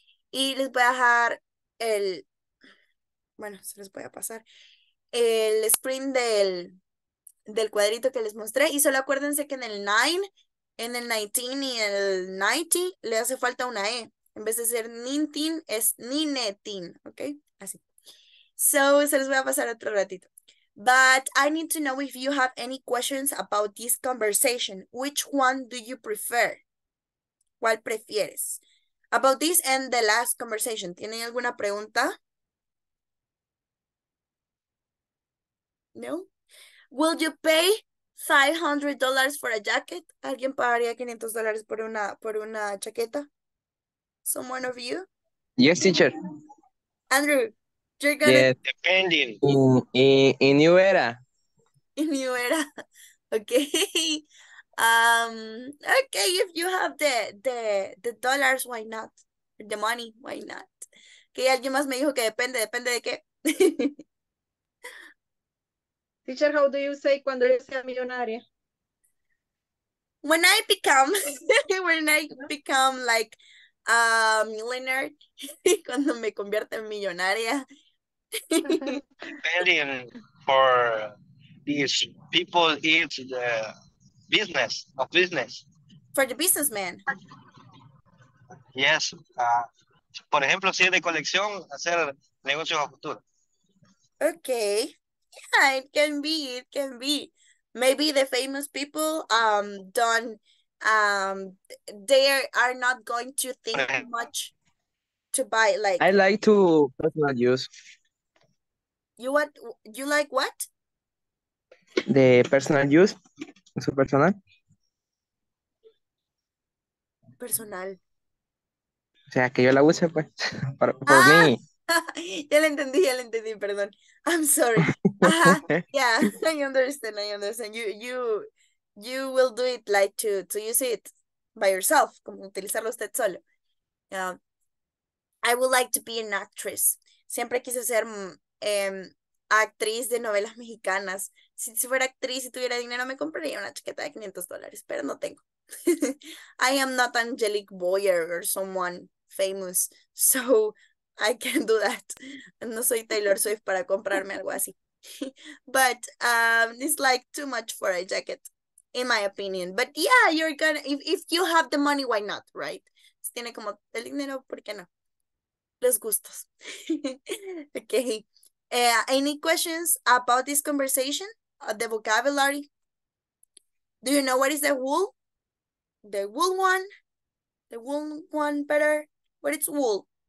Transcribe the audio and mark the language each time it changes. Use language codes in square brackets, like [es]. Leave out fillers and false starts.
[es] Y les voy a dejar el, bueno, se los voy a pasar el sprint del cuadrito que les mostré. Y solo acuérdense que en el 9, en el 19 y el 90 le hace falta una E. En vez de ser nintin, es ninetin, ¿ok? Así. So, se los voy a pasar otro ratito. [en] But I need to know if you have any questions about this conversation. Which one do you prefer? [es] ¿Cuál prefieres? [en] About this and the last conversation. [es] ¿Tienen alguna pregunta? [en] No? Will you pay $500 for a jacket? [es] ¿Alguien pagaría $500 por una chaqueta? [en] Someone of you? Yes, teacher. Andrew, you're gonna... Yes, depending. In new era. In new era. Okay. Okay, if you have the dollars, why not? The money, why not? [es] Okay, alguien más me dijo que depende de qué. [en] Teacher, how do you say [es] cuando eres sea millonaria? [en] When I become... when I become like... [es] millionaire, cuando me convierte en millonaria. [en] Depending for these people is the business, of business. For the businessman. Yes. [es] Por ejemplo, si es de colección, hacer negocios a futuro. [en] Okay. Yeah, it can be. maybe the famous people don't they are not going to think much to buy, like I like to personal use. You what you like what? The personal use, so personal. Personal. [es] O sea, que yo la use, pues, por mí. Ya le entendí, perdón. [en] I'm sorry. Yeah, I understand. You will do it, like, to use it by yourself, [es] como utilizarlo usted solo. [en] I would like to be an actress. [es] Siempre quise ser actriz de novelas mexicanas. Si fuera actriz y tuviera dinero, me compraría una chaqueta de $500, pero no tengo. [en] I am not Angelique Boyer or someone famous, so I can't do that. [es] No soy Taylor Swift para comprarme algo así. [en] But it's like too much for a jacket, in my opinion. But yeah, you're gonna, if you have the money, why not, right? [es] Si tiene como el dinero, ¿por qué no? Los gustos. [en] Okay. Any questions about this conversation? The vocabulary? Do you know what is the wool? The wool one? The wool one better? What is wool?